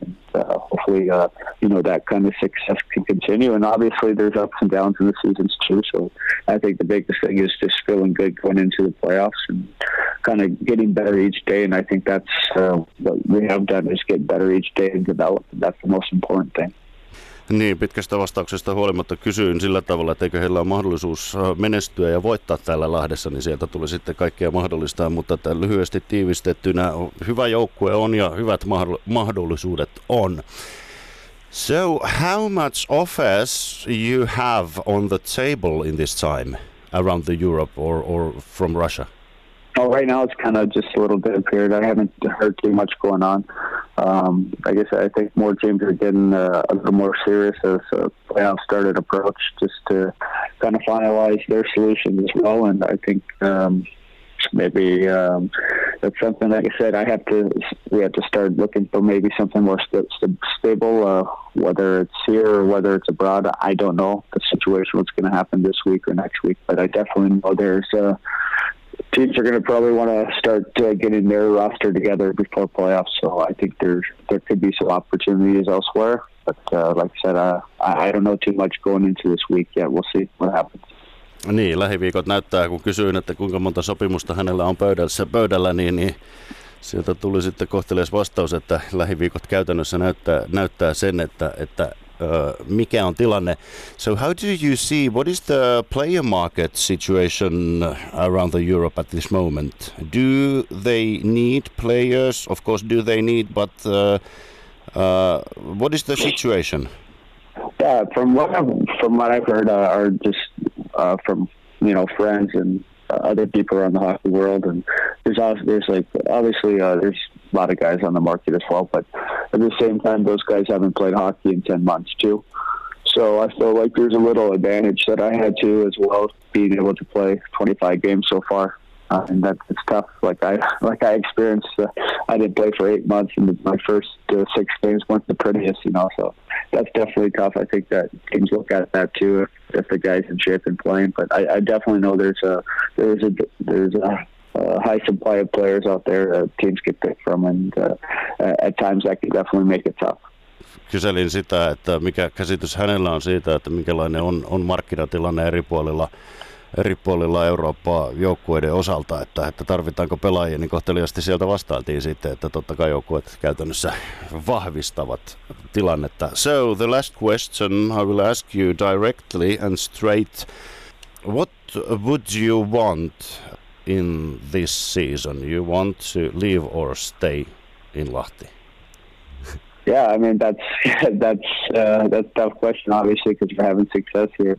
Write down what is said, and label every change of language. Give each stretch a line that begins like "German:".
English: And hopefully, that kind of success can continue. And obviously, there's ups and downs in the seasons too. So I think the biggest thing is just feeling good going into the playoffs and kind of getting better each day. And I think that's what we have done is get better each day and develop. That's the most important thing.
Finnish: Niin, pitkästä vastauksesta huolimatta kysyin sillä tavalla, että eikö heillä ole mahdollisuus menestyä ja voittaa täällä Lahdessa, niin sieltä tuli sitten kaikkea mahdollista, mutta lyhyesti tiivistettynä hyvä joukkue on ja hyvät mahdollisuudet on.
English: So, how much offers you have on the table in this time around the Europe or from Russia? Well, right now it's kind of just a little bit of period. I haven't heard too much going on. I think more teams are getting a little more serious as a playoff started approach, just to kind of finalize their solution as well. And I think that's something, like I said, we have to start looking for maybe something more stable, whether it's here or whether it's abroad. I don't know the situation, what's going to happen this week or next week, but I definitely know there's teams are going to probably want to start getting their roster together before playoffs, so I think there could be some opportunities elsewhere. But like I said, I don't know too much going into this week yet. We'll see what happens.
Finnish: Niin, lähiviikot näyttää, kun kysyin, että kuinka monta sopimusta hänellä on pöydällä, niin sieltä tuli sitten kohtelias vastaus, että lähiviikot käytännössä näyttää sen, että mikä on tilanne.
English: So how do you see, what is the player market situation around the Europe at this moment? Do they need players? Of course do they need, but what is the situation? Yeah, from what I've heard from friends and other people around the hockey world, and there's a lot of guys on the market as well, but at the same time, those guys haven't played hockey in 10 months too. So I feel like there's a little advantage that I had too as well, being able to play 25 games so far. And that's tough. Like I experienced, I didn't play for 8 months, and my first 6 games weren't the prettiest, you know. So that's definitely tough. I think that teams look at that too, if the guy's in shape and playing. But I definitely know there's a high supply of players out there that teams can pick from, and at times that can definitely make it tough.
Finnish: Kyselin sitä, että mikä käsitys hänellä on siitä, että minkälainen on markkinatilanne eri puolilla Eurooppaa joukkueiden osalta, että tarvitaanko pelaajia, niin kohteliasti sieltä vastailtiin sitten, että totta kai joukkueet käytännössä vahvistavat tilannetta.
English: So the last question I will ask you directly and straight. What would you want in this season? You want to leave or stay in Lahti? Yeah, I mean that's a tough question, obviously, because we're having success here.